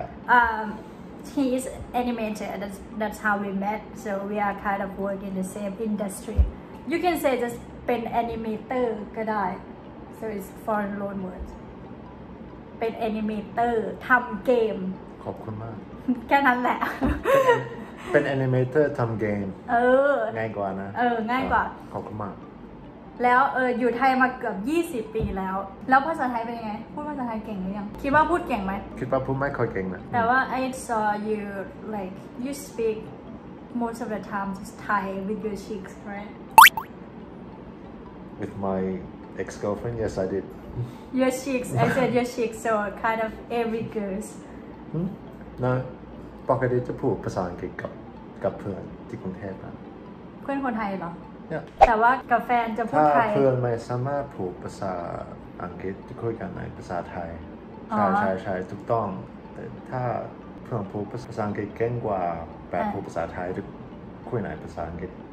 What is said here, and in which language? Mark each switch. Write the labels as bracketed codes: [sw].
[en] ะ he is animator that's how we met so we are kind of working in the same industry you can say just [th] เป็น animator ก็ได้ [en] so it's foreign loan words [th] เป็น animator ทำเกม ขอบคุณมาก แค่นั้นแหละ เป็น animator ทำเกม เออ ง่ายกว่านะ เออง่ายกว่า ขอบคุณมาก แล้วอยู่ไทยมาเกือบ20ปีแล้วแล้วภาษาไทยเป็นยังไงพูดภาษาไทยเก่งหรือยังคิดว่าพูดเก่งไหม คิดว่าพูดไม่ค่อยเก่งนะ แต่ว่า [en] I saw you like you speak most of the time just Thai with your cheeks right with my ex girlfriend yes I did your cheeks I said your cheeks so kind of every girls [th] no ปกติจะพูดภาษาอังกฤษกับเพื่อนที่กรุงเทพอ่ะ เพื่อนคนไทยเหรอแต่ว่ากับแฟนจะพูดไทย ถ้าเพื่อนไม่สามารถพูดภาษาอังกฤษจะคุยกันในภาษาไทยใช่ใช่ใช่ถูกต้องแต่ถ้าเพื่อนพูดภาษาอังกฤษเก่งกว่าแบบพูดภาษาไทยจะคุยในภาษาอังกฤษ